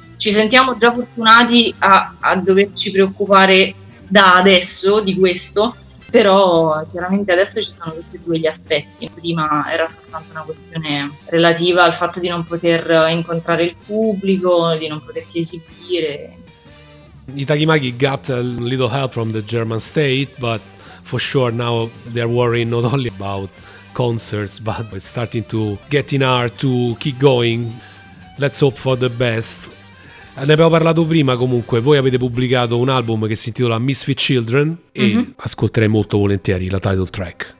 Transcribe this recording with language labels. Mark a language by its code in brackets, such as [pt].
[it] Ci sentiamo già fortunati a doverci preoccupare da adesso di questo. Però chiaramente adesso ci sono tutti e due gli aspetti. Prima era soltanto una questione relativa al fatto di non poter incontrare il pubblico, di non potersi esibire. [en] I Tagimaki got a little help from the German state, but for sure now they're worrying not only about concerts, but it's starting to get in hard to keep going. Let's hope for the best. [it] Ne abbiamo parlato prima, comunque voi avete pubblicato un album che si intitola Misfit Children e ascolterei molto volentieri la title track.